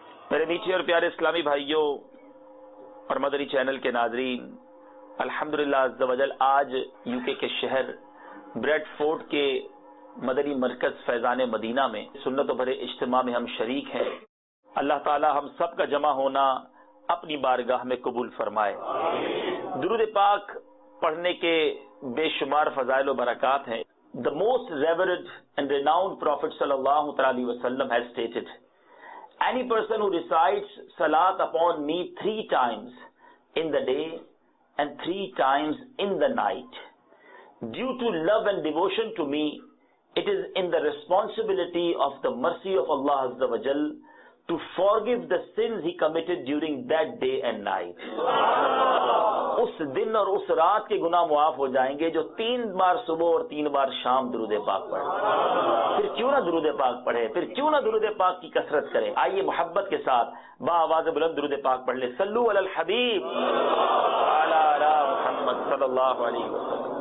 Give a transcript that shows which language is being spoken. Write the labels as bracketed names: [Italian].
[Urdu] میرے میٹھے اور پیارے اسلامی بھائیوں اور مدری چینل کے ناظرین، الحمدللہ عز و جل آج یوکے کے شہر بریڈ فورٹ کے مدری مرکز فیضان مدینہ میں سنت و بھرے اجتماع میں ہم شریک ہیں. اللہ تعالی ہم سب کا جمع ہونا اپنی بارگاہ میں قبول فرمائے. درود پاک پڑھنے کے بے شمار فضائل و برکات ہیں. [English] The most revered and renowned Prophet صلی اللہ علیہ وسلم has stated, any person who recites salat upon me 3 times in the day and 3 times in the night due to love and devotion to me, it is in the responsibility of the mercy of Allah Azza wa Jal to forgive the sins he committed during that day and night. [Urdu] اس دن اور اس رات کے گناہ معاف ہو جائیں گے جو 3 بار صبح اور 3 بار شام درود پاک پڑھے. پھر کیوں نہ درود پاک پڑھے، پھر کیوں نہ درود پاک کی کثرت کریں. آئیے محبت کے ساتھ با آواز بلند درود پاک پڑھ لیں. [Arabic] صلوا علی الحبیب علی محمد صلی اللہ علیہ وسلم.